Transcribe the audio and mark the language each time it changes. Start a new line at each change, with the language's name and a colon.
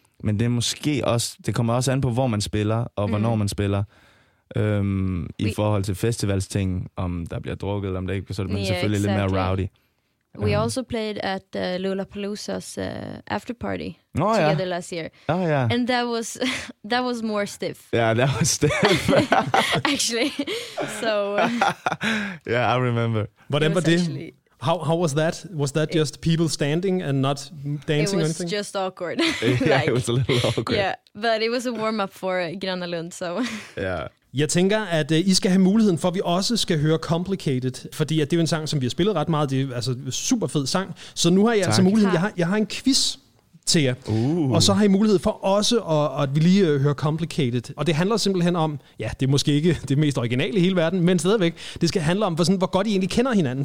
Danish: Men det er måske også, det kommer også an på, hvor man spiller og hvornår man spiller. I forhold til festivalsting, om der bliver drukket, om det ikke, så er man selvfølgelig lidt mere rowdy.
English: We also played at Lollapalooza's after party together last year. Oh yeah. And that was more stiff. Yeah, that was stiff. Actually. So yeah, I remember. Whatever did. How was that? Was that just people standing and not dancing or anything? It was just awkward. Yeah, like, it was a little awkward. Yeah, but it was a warm up for Gröna Lund, so. Yeah.
Danish: Jeg tænker, at I skal have muligheden for, at vi også skal høre Complicated, fordi at det er en sang, som vi har spillet ret meget. Det er altså super fed sang. Så nu har jeg altså muligheden. Jeg har en quiz til jer. Og så har I mulighed for også, at vi lige hører Complicated. Og det handler simpelthen om, ja, det er måske ikke det mest originale i hele verden, men stadigvæk, det skal handle om, hvor godt I egentlig kender hinanden.